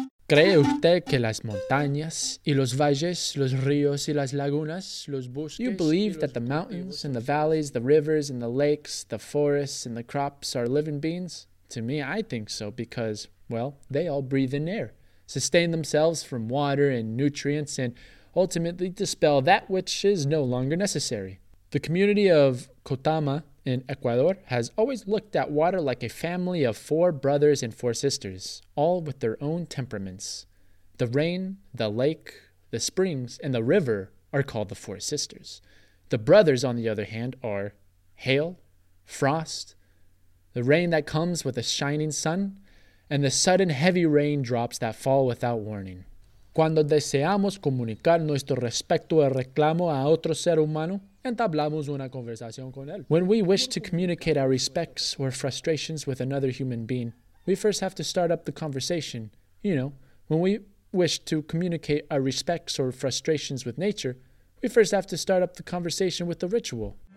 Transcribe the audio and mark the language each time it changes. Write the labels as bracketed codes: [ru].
[es] ¿Cree usted que las montañas y los valles, los ríos y las lagunas, los bosques? [en] Do you believe that the mountains and the valleys, the rivers and the lakes, the forests and the crops are living beings? To me, I think so because, well, they all breathe in air, sustain themselves from water and nutrients, and ultimately dispel that which is no longer necessary. The community of Cotama in Ecuador has always looked at water like a family of four brothers and four sisters, all with their own temperaments. The rain, the lake, the springs, and the river are called the four sisters. The brothers, on the other hand, are hail, frost, the rain that comes with a shining sun, and the sudden heavy rain drops that fall without warning. [es] Cuando deseamos comunicar nuestro respeto y reclamo a otro ser humano, entablamos una conversación con él. [en] When we wish to communicate our respects or frustrations with another human being, we first have to start up the conversation. You know, when we wish to communicate our respects or frustrations with nature, we first have to start up the conversation with the ritual.